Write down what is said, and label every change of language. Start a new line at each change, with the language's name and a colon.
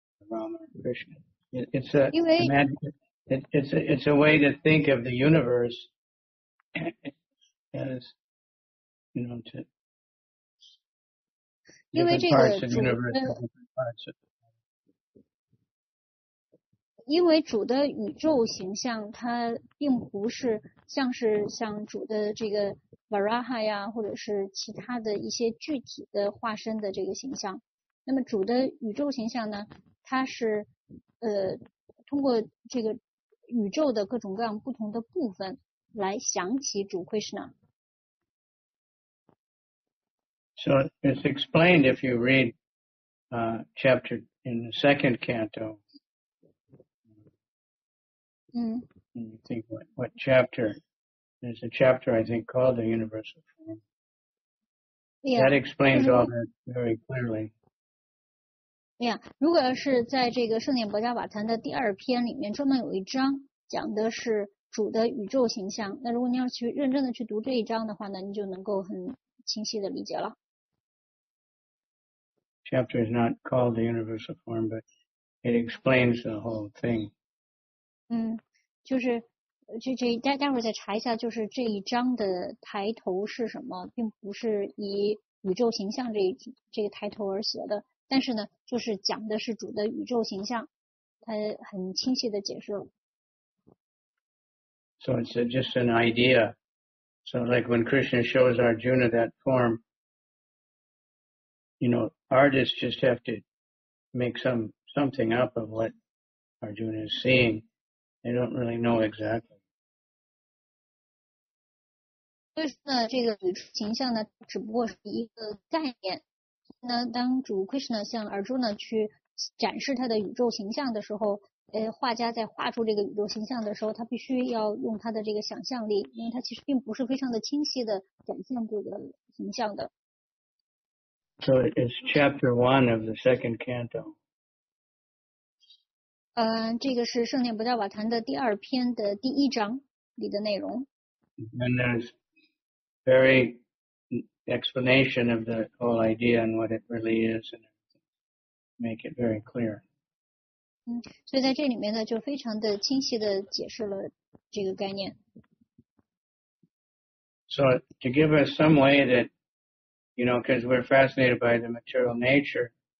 English: Rama Krishna. It's a way to think of the universe. As, you know, to different parts of the universe, different parts.
Chinese: 因为主的宇宙形象，它并不是像主的这个 Varaha 呀，或者是其他的一些具体的化身的这个形象。那么主的宇宙形象呢，它是通过这个宇宙的各种各样不同的部分来想起主 Krishna。
English: So it's explained if you read chapter in the second canto. And you think what chapter? There's a chapter, I think, called the Universal Form. Yeah. That explains all that very clearly. Yeah.
Chinese: 如果是在这个圣典博迦瓦坛的第二篇里面专门有一章讲的是主的宇宙形象，那如果你要去认真的去读这一章的话呢，你就能够很清晰的理解了。
English: Chapter is not called the universal form, but it explains the whole thing.
Chinese: 就是这待会儿再查一下，就是这一章的抬头是什么，并不是以宇宙形象这个抬头而写的，但是呢，就是讲的是主的宇宙形象，它很清晰的解释了。
English: So it's just an idea. So like when Krishna shows Arjuna that form, you know,Artists just have to make something up of what Arjuna is seeing. They don't really know exactly.
Chinese: 所以呢，这个宇宙形象呢，只不过是一个概念。那当主 Krishna 向 Arjuna 去展示他的宇宙形象的时候，画家在画出这个宇宙形象的时候，他必须要用他的这个想象力，因为他其实并不是非常的清晰的展现这个形象的。
English: So it's chapter 1 of the second canto.
Chinese: 这个是圣典博迦瓦坛的第二篇的第一章里的内容。
English: And there's very explanation of the whole idea and what it really is, and make it very clear.
Chinese: 所以在这里面呢，就非常的清晰的解释了这个概念。
English: So to give us some way that, you know, because we're fascinated by the material nature.